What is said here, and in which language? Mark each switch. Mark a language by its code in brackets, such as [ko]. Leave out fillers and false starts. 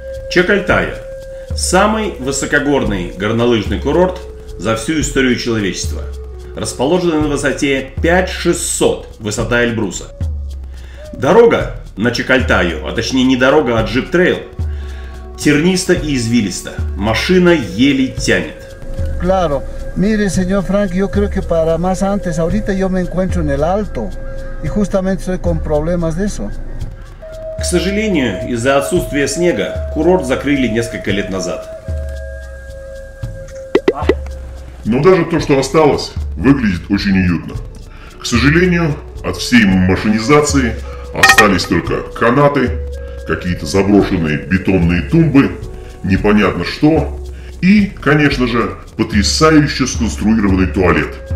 [ru] Чикальтая – самый высокогорный горнолыжный курорт за всю историю человечества. Расположенный на высоте 5600 высота Эльбруса. Дорога на Чикальтаю, а точнее не дорога, а джип-трейл, терниста и извилиста. Машина еле тянет. [es] Claro. Mire, señor Frank, yo creo que para más antes, ahorita yo me encuentro en el alto, y justamente estoy con problemas de eso. [ru] К сожалению, из-за отсутствия снега, курорт закрыли несколько лет назад. Но даже то, что осталось, выглядит очень уютно. К сожалению, от всей машинизации остались только канаты, какие-то заброшенные бетонные тумбы, непонятно что, и, конечно же, потрясающе сконструированный туалет.